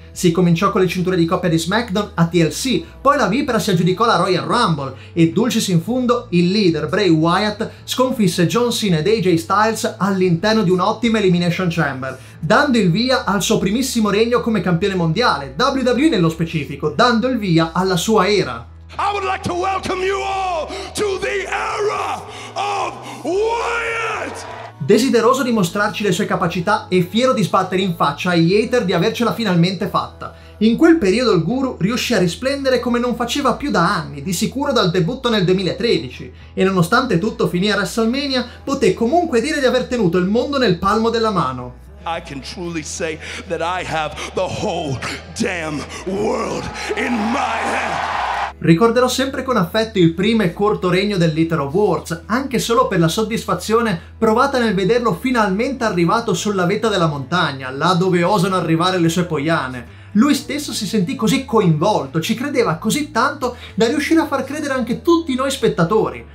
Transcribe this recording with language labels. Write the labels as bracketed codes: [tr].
[it] Si cominciò con le cinture di coppia di SmackDown a TLC, poi la Vipera si aggiudicò la Royal Rumble e dulcis in fundo il leader Bray Wyatt sconfisse John Cena ed AJ Styles all'interno di un'ottima Elimination Chamber, dando il via al suo primissimo regno come campione mondiale, WWE nello specifico, dando il via alla sua era. [en] I would like to welcome you all to the era of Wyatt! [it] Desideroso di mostrarci le sue capacità e fiero di sbattere in faccia agli hater di avercela finalmente fatta. In quel periodo il guru riuscì a risplendere come non faceva più da anni, di sicuro dal debutto nel 2013, e nonostante tutto finì a WrestleMania, poté comunque dire di aver tenuto il mondo nel palmo della mano. [en] I can truly say that I have the whole damn world in my hand. [it] Ricorderò sempre con affetto il primo e corto regno del Little of Words, anche solo per la soddisfazione provata nel vederlo finalmente arrivato sulla vetta della montagna, là dove osano arrivare le sue poiane. Lui stesso si sentì così coinvolto, ci credeva così tanto da riuscire a far credere anche tutti noi spettatori.